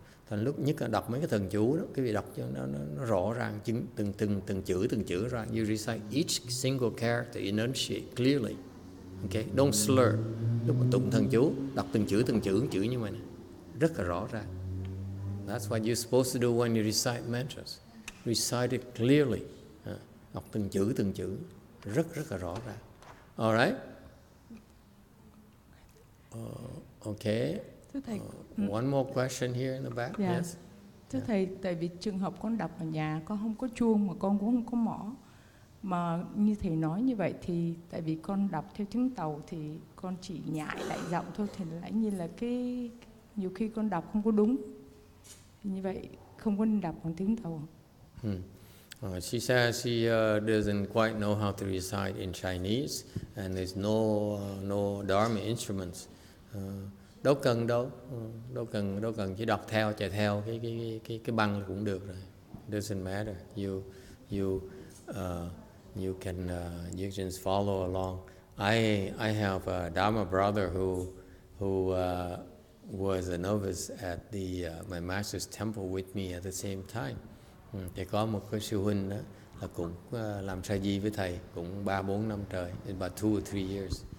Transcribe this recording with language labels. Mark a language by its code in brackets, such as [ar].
[vi] Thành lúc nhất là đọc mấy cái thần chú đó, cái việc đọc cho nó rõ ràng, từng chữ ra. [en] You recite each single character, enunciate clearly. Okay, don't slur. [vi] Lúc mà tụng thần chú, đọc từng chữ như vậy này, rất là rõ ràng. [en] That's what you're supposed to do when you recite mantras. Recite it clearly. [vi] Đọc từng chữ rất rất là rõ ràng. [en] All right. Okay. [vi] Thưa thầy, [en] one more question here in the back. [vi] Dạ. [en] Yes. [vi] Thưa yeah. thầy, tại vì trường hợp con đọc ở nhà, con không có chuông mà con cũng không có mõ. Mà như thầy nói như vậy thì tại vì con đọc theo tiếng tàu thì con chỉ nhại lại giọng thôi, thì lại như là cái nhiều khi con đọc không có đúng. Thì như vậy không có đọc bằng tiếng tàu. [en] She says she doesn't quite know how to recite in Chinese, and there's no Dharma instruments. [vi] Đâu cần chỉ đọc theo, chạy theo cái băng cũng được rồi. [en] Doesn't matter. You can just follow along. I have a Dharma brother who was a novice at my master's temple with me at the same time. [vi] Thì có một cái sư huynh đó là cũng làm sa di với thầy cũng 3-4 năm trời, [en] about 2 or 3 years.